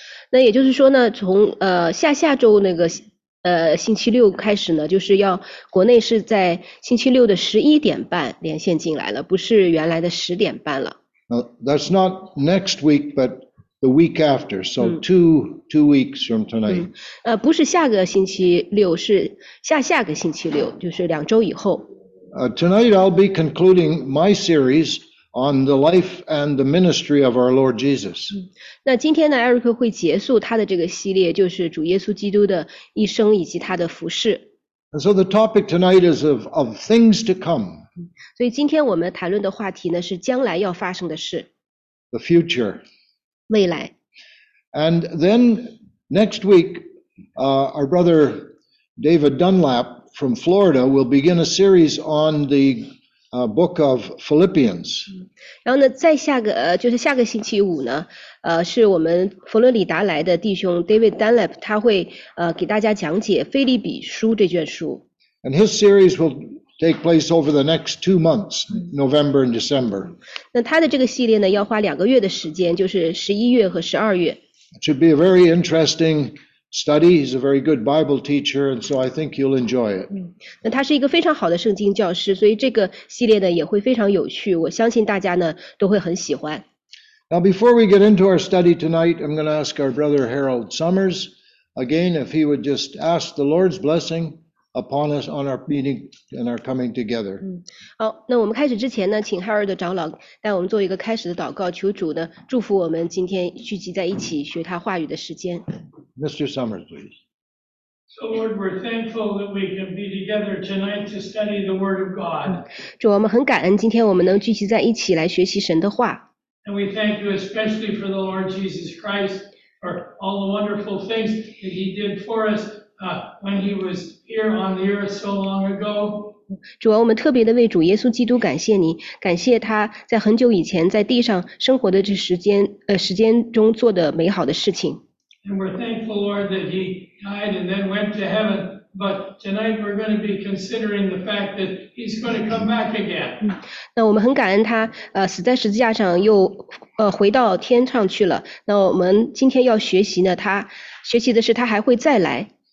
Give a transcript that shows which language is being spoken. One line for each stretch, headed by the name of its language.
Chinese: 那也就是说呢，从下下周那个星期六开始呢，就是要国内是在星期六的11点半连线进来了，不是原来的10点半了。
English: That's not next week, but the week after. So two weeks from tonight.
Chinese: 不是下个星期六，是下下个星期六，就是两周以后。
English: Tonight I'll be concluding my series on the life and the ministry of our Lord Jesus.
Chinese: 那今天呢 ，Eric 会结束他的这个系列，就是主耶稣基督的一生以及他的服事。
English: And so the topic tonight is of things to come.
Chinese: 所以今天我们谈论的话题呢是将来要发生的事。
English: The future.
Chinese: 未来。
English: And then next week, our brother David Dunlap. From Florida, we'll begin a series on the book of Philippians.
Chinese: 然后呢，再下个就是下个星期五呢，是我们佛罗里达来的弟兄 David Dunlap， 他会给大家讲解腓立比书这卷书。
English: And his series will take place over the next 2 months, November and December.
Chinese: 那他的这个系列呢，要花2个月的时间，就是11月和12月。
English: It should be a very interesting. Study. He's a very good Bible teacher, and so I think you'll enjoy it.
Chinese: 那他是一个非常好的圣经教师，所以这个系列呢也会非常有趣。我相信大家呢都会很喜欢。
English: Now, before we get into our study tonight, I'm going to ask our brother Harold Summers again if he would just ask the Lord's blessing upon us on our meeting and our coming together.
Chinese: 好，那我们开始之前呢，请 Harold 长老带我们做一个开始的祷告，求主呢祝福我们今天聚集在一起学他话语的时间。
English: Mr. Summers, please. So, Lord, we're thankful that we can be together tonight to study the Word of God.
Chinese: 主，我们很感恩今天我们能聚集在一起来学习神的话。
English: And we thank you especially for the Lord Jesus Christ for all the wonderful things that He did for us when He was here on the earth so long ago.
Chinese: 主啊，我们特别的为主耶稣基督感谢你，感谢他在很久以前在地上生活的这时间中做的美好的事情。
English: And we're thankful, Lord, that He died and then went to heaven. But tonight we're going to be considering the fact that He's going to come back again.
Chinese: 那我们很感恩他，死在十字架上又回到天上去了。那我们今天要学习呢，他学习的是他还会再来。